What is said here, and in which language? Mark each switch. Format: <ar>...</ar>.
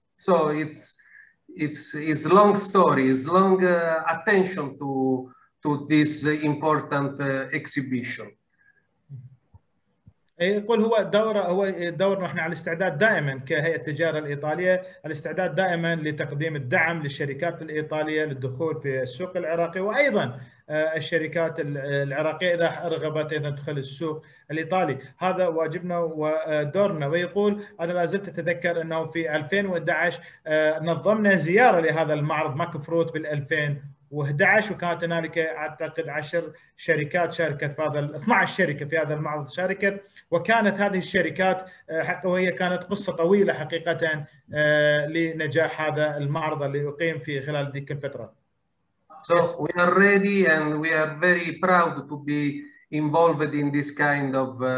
<en>So it's a long story, it's long attention to this important exhibition.</en> <ar>يقول هو دور نحن على الاستعداد دائما كهيئة التجارة الإيطالية الاستعداد دائما لتقديم الدعم للشركات الإيطالية للدخول في السوق العراقي وأيضا الشركات العراقية إذا رغبت أيضا تدخل السوق الإيطالي هذا واجبنا ودورنا ويقول أنا لازلت أتذكر أنه في 2011 نظمنا زيارة لهذا المعرض ماكفروت بال 2011 وكانت هنالك اعتقد 10 شركات شاركت في هذا 12 شركه في هذا المعرض شاركت وكانت هذه الشركات حتى وهي كانت قصه طويله حقيقه لنجاح هذا المعرض اللي اقيم في خلال ذيك الفتره.</ar> <en>So we are ready and we are very proud to be involved in this kind of</en>